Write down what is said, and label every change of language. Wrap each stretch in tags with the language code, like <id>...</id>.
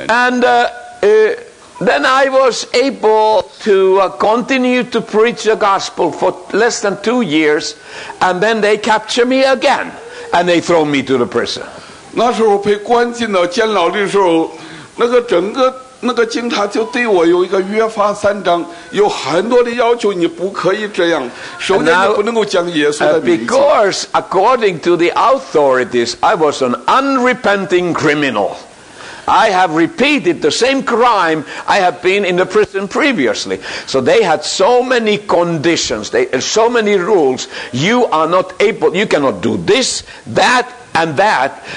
<en>Then I was able to continue to preach the gospel for less than 2 years, and then they captured me again. And they throw me to the prison.</en> <zh>那时候被关进到监牢的时候，那个警察就对我有一个约法三章，有很多的要求，你不可以这样，首先你不能够讲耶稣的名字。</zh> <en>Because according to the authorities, I was an unrepenting criminal. I have repeated the same crime I have been in the prison previously. So they had so many conditions, so many rules. You are not able, you cannot do this, that, and that.</en>